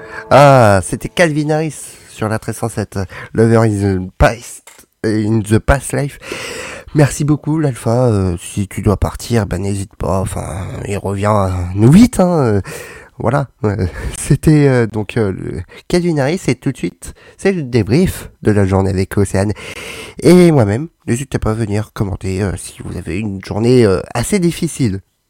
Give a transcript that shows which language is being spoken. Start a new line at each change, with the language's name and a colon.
French: Ah, c'était Calvin Harris sur la 1307.
English: Lover is past, in the past life.
French: Merci beaucoup, l'Alpha. Si tu dois partir, ben n'hésite pas. Enfin, il revient nous vite. Hein. Voilà. C'était donc Calvin Harris. Et tout de suite, c'est le débrief de la journée avec Océane. Et moi-même, n'hésitez pas à venir commenter si vous avez une journée assez difficile.